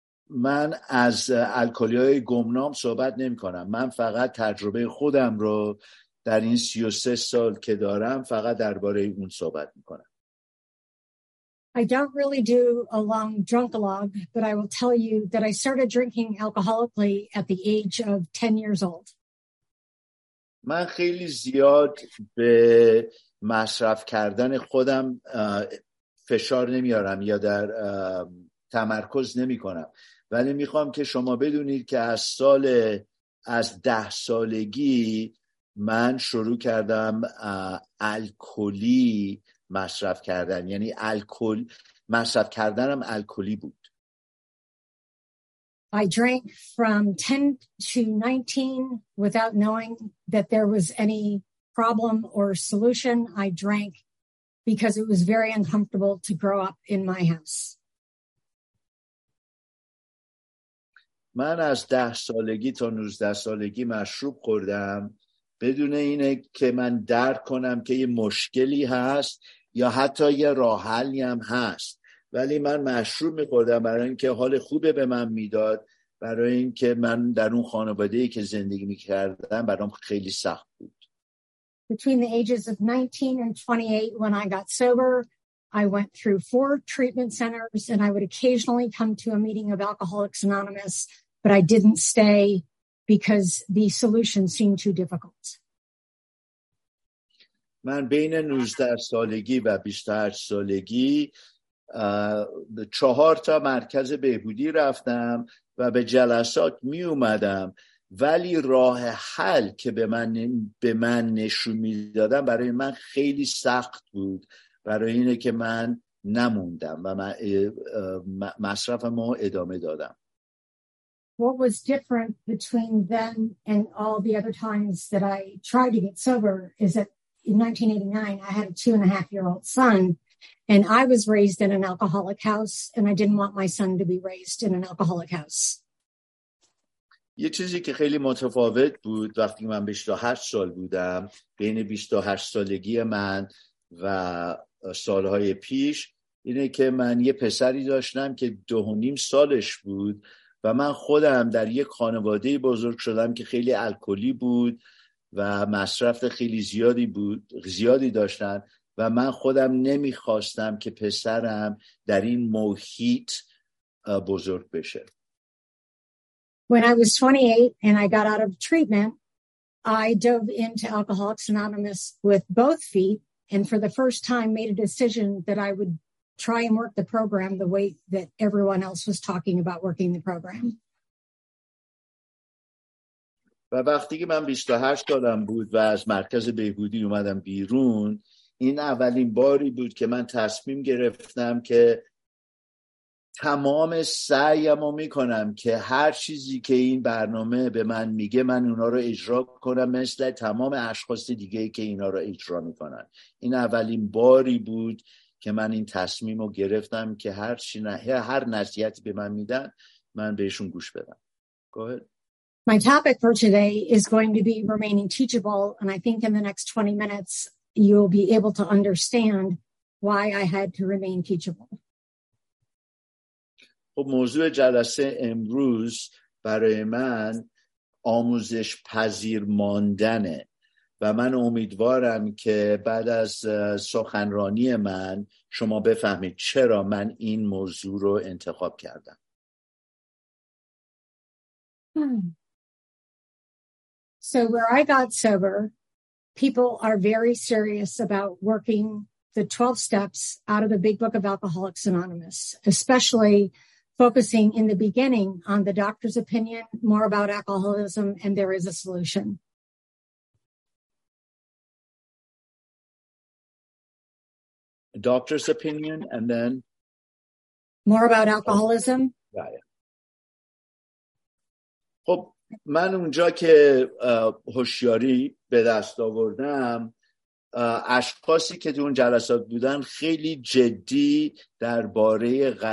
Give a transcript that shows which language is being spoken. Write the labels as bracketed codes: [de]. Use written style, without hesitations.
[fa] من از الکلی های گمنام صحبت نمی کنم. من فقط تجربه خودم رو در این 33 سال که دارم فقط درباره اون صحبت می کنم. [en] I don't really do a long drunkalogue, but I will tell you that I started drinking alcoholically at the age of 10 years old. [fa] من خیلی زیاد به مصرف کردن خودم فشار نمیارم یا در تمرکز نمی کنم. ولی می خواهم که شما بدونید که از 10 سالگی من شروع کردم الکلی مصرف کردن، یعنی الکل مصرف کردنم الکلی بود. [en] I drank from 10 to 19 without knowing that there was any problem or solution. I drank because it was very uncomfortable to grow up in my house. [fa] من از 10 سالگی تا 19 سالگی مشروب خوردم بدون اینه که من درک کنم که یه مشکلی هست یا حتی یه راه حلی هم هست، ولی من مشروب می‌خوردم برای اینکه حال خوبه به من میداد، برای اینکه من در اون خانواده‌ای که زندگی می‌کردم برام خیلی سخت بود. [en] Between the ages of 19 and 28 when I got sober, I went through four treatment centers and I would occasionally come to a meeting of Alcoholics Anonymous, but I didn't stay because the solution seemed too difficult. [fa] من بین 19 سالگی و 28 سالگی به 4 تا مرکز بهبودی رفتم و به جلسات می اومدم، ولی راه حل که به من نشون میدادن برای من خیلی سخت بود، برای اینه که من نموندم و من مصرفمو ادامه دادم. [en] What was different between then and all the other times that I tried to get sober is that in 1989, I had a 2.5-year-old son, and I was raised in an alcoholic house, and I didn't want my son to be raised in an alcoholic house. [fa] یه چیزی که خیلی متفاوت بود وقتی من 28 سال بودم، بین 28 سالگی من و سالهای پیش، اینه که من یه پسری داشتم که 2.5 سالش بود و من خودم در یه خانواده بزرگ شدم که خیلی الکلی بود و مصرف خیلی زیادی داشتن، و من خودم نمیخواستم که پسرم در این محیط بزرگ بشه. [en] When I was 28 and I got out of treatment, I dove into Alcoholics Anonymous with both feet and for the first time made a decision that I would try and work the program the way that everyone else was talking about working the program. [fa] و وقتی که من 28 سالم بود و از مرکز بهبودی اومدم بیرون، این اولین باری بود که من تصمیم گرفتم که تمام سعیم رو میکنم که هر چیزی که این برنامه به من میگه من اونا رو اجرا کنم مثل تمام اشخاص دیگه که اینا رو اجرا میکنن. این اولین باری بود که من این تصمیم رو گرفتم که هر نصیحتی به من میدن من بهشون گوش بدم. [en] Go ahead. My topic for today is going to be remaining teachable, and I think in the next 20 minutes you'll be able to understand why I had to remain teachable. [fa] خب موضوع جلسه امروز برای من آموزش پذیر ماندنه و من امیدوارم که بعد از سخنرانی من شما بفهمید چرا من این موضوع رو انتخاب کردم. [en] So where I got sober, people are very serious about working the 12 steps out of the Big Book of Alcoholics Anonymous, especially focusing in the beginning on the doctor's opinion, more about alcoholism, and there is a solution. A doctor's opinion, and then? More about alcoholism. Yeah. [fa] Well, من اونجا که هوشیاری به دست آوردم اشخاصی که تو اون جلسات بودن خیلی جدی درباره